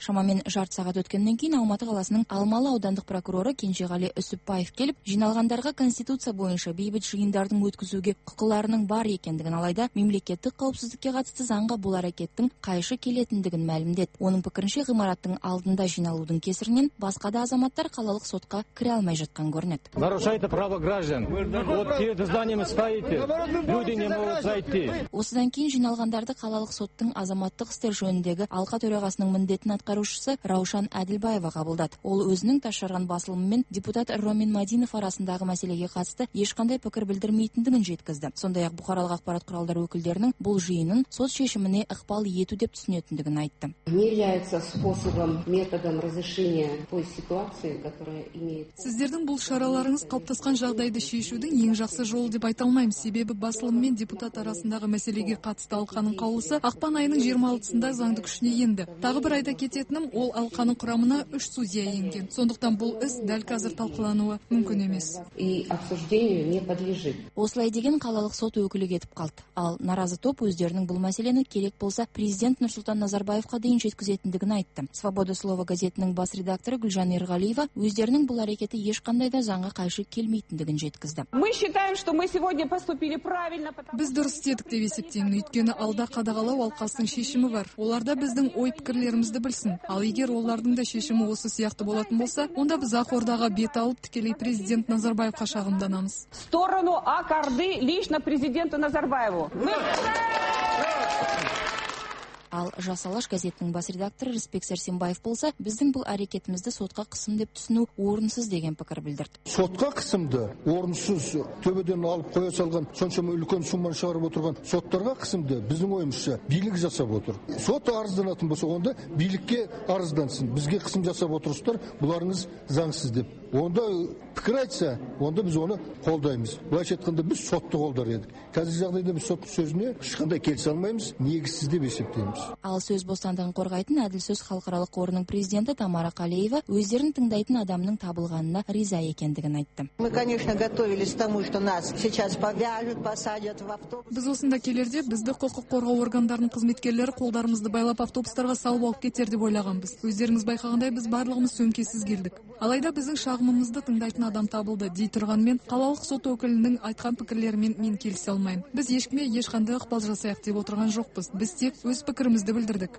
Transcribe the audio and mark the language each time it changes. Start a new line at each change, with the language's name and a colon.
Kazakh: Шамамен жарты сағат өткеннен кейін Алматы қаласының Алмалы аудандық прокуроры Кенжеғали Үсіпбаев келіп, жиналғандарға конституция бойынша бейбіт жиындардың өткізуге құқылардың бар екендігін, алайда мемлекеттік қауіпсіздікке қатысты заңға бұл әрекеттің қайшы келетіндігін мәлімдеді. Оның пікірінше ғимараттың алдында жиналудың кесірінен басқа да азаматтар қалалық сотқа кіре алмай жатқан көрінеді.
Russian: Нарушаете право граждан. Вот перед зданием стоите. Люди не могут зайти.
Kazakh: Осыдан кейін жиналғандарды қалалық соттың азаматтық істер жөніндегі алқа төрағасының міндетін атқарушысы Раушан Әділбаева қабылдады. Ол өзінің Ташырған басылымымен депутат Ромин Мадинов арасындағы мәселеге қатысты ешқандай пікір білдірмейтіндігін жеткізді. Сондай-ақ бұқаралық ақпарат құралдары өкілдерінің бұл жиынын сот шешіміне ықпал ету деп түсінетіндігін айтты.
Russian: Не является способом, методом разрешения той ситуации, которая имеет.
Kazakh: Сіздердің бұл шараларыңыз қалыптасқан жағдайды шешудің ең жақсы жолы деп айта алмаймын, себебі басылым мен депутат арасындағы мәселеге қатысты алқаның қаулысы ақпан айының 26-сында заңды күшіне енді. Тағы бір айта кететінім, ол алқаның құрамына 3 судья енген. Сондықтан бұл іс дәл қазір талқылануы мүмкін емес.
Russian: И обсуждению не подлежит.
Kazakh: Осылай деген қалалық сот өкілі кетіп қалды. Ал наразы топ өздерінің бұл мәселені керек болса президент Нұрсұлтан Назарбаев қа дейін жеткізетіндігін айтты. «Свобода слова» газетінің бас редакторы Гүлжан Ерғалиева өздерінің бұл әрекеті ешқандай да заңға қайшы келмейтіндігін жеткізді.
Russian: Мы считаем, что мы сегодня поступили правильно, потому что
Kazakh: біз дұрыс істедік деп есептеймін, өйткені алда қадағалау алқасының шешімі бар. Оларда біздің ой-пікірлерімізді білсін. Ал егер олардың да шешімі осы сияқты болатын болса, онда біз Ақордаға бет алып тікелей президент Назарбаевқа шағымданамыз.
Russian: В сторону Ақорды лично президенту Назарбаеву.
Kazakh: Ал «Жас Алаш» газетінің бас редакторы Рысбек Сәрсенбаев болса, біздің бұл әрекетімізді сотқа қысым деп түсіну орынсыз деген пікір білдірді. Сотқа қысымды орынсыз төбеден алып қоя салған, соншама үлкен сумманы шығарып отырған соттарға қысымды біздің ойымызша билік жасап отыр. Сот арызданатын болса, онда билікке арыздансын. Бізге қысым жасап отырсыздар, бұларыңыз заңсыз деп. Онда пікір айтса, онда біз оны қолдаймыз. Былайша айтқанда біз сотты қолдар едік. Қазір жағдайда біз сот сөзіне ешқандай келісе алмаймыз, негізсіз деп есептейміз. Ал сөз бостандығын қорғайтын әділ сөз халықаралық қорының президенті Тамара Қалеева өздерін тыңдайтын адамның табылғанына риза екендігін айтты.
Russian: Мы, конечно, готовились к тому, что нас сейчас повяжут, посадят в автобус.
Kazakh: Біз осында келерде бізді құқық қорғау органдарының қызметкерлері қолдарымызды байлап автобустарға салып алып кетер деп ойлағанбыз. Өздеріңіз байқағандай біз барлығымыз сөмкесіз келдік. Алайда біздің шағымымызды тыңдайтын адам табылды дей тұрғанмен, қалалық сот өкілінің айтқан пікірлерімен мен келісе алмаймын. Біз ешкімге ешқандай ықпал жасайық деп отырған жоқпыз. Біз тек өз пікірімізді білдірдік.